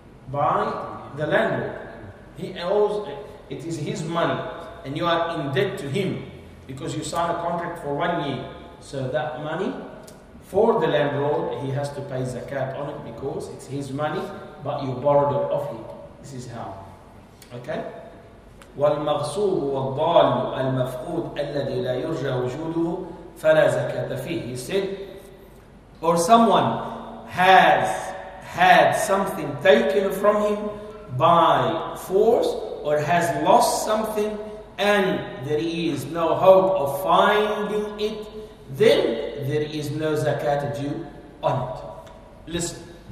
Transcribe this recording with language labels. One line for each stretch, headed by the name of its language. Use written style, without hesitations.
English: By the landlord. He owes it. It is his money. And you are in debt to him because you signed a contract for 1 year. So that money, for the landlord, he has to pay zakat on it because it's his money, but you borrowed it off him. This is how. Okay?
Arabic: والمغصوب والضال المفقود الذي لا يرجى وجوده فلا زكاة فيه.
English: He said, or someone has had something taken from him by force, or has lost something and there is no hope of finding it, then there is no zakat due on it. Listen.